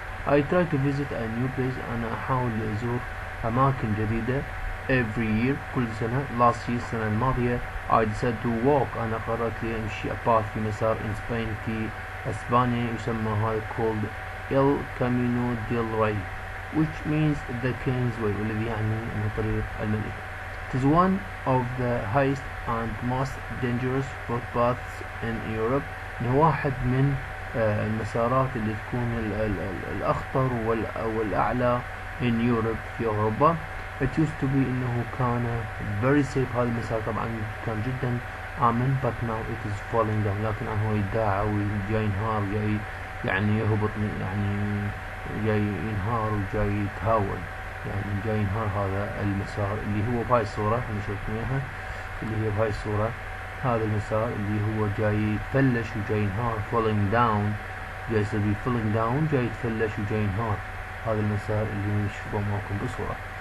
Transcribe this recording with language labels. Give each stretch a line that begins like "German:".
English: I try to visit a new place،
Arabic: أنا أحاول أزور أماكن جديدة،
English: every year
Arabic: كل سنة،
English: last year
Arabic: السنة الماضية،
English: I decided to walk،
Arabic: أنا قررت لي أمشي
English: a path
Arabic: في مسار
English: in Spain
Arabic: في إسبانيا، يسمى هذا
English: called El Camino del Rey which means the king's way،
Arabic: والذي يعني أنه طريق الملك.
English: It is one of the highest and most dangerous footpaths in Europe. إنه واحد من المسارات اللي تكون الأخطر والأعلى in Europe في أوروبا. It used to be
Arabic: إنه كان
English: very safe،
Arabic: هذا المسار طبعا كان جدا آمن،
English: but now it is falling down،
Arabic: لكن الآن هو يداعى وجاي ينهار، جاي يعني يهبط، يعني جاي ينهار وجاي يتهاون، يعني جاي ينهار هذا المسار اللي هو بهاي الصورة اللي شفتم اياها، اللي هي بهاي الصورة هذا المسار اللي هو جاي يتفلش وجاي ينهار، falling down جاي يصير بي falling down، جاي يتفلش وجاي ينهار، هذا المسار اللي نشوفه معكم بالصورة.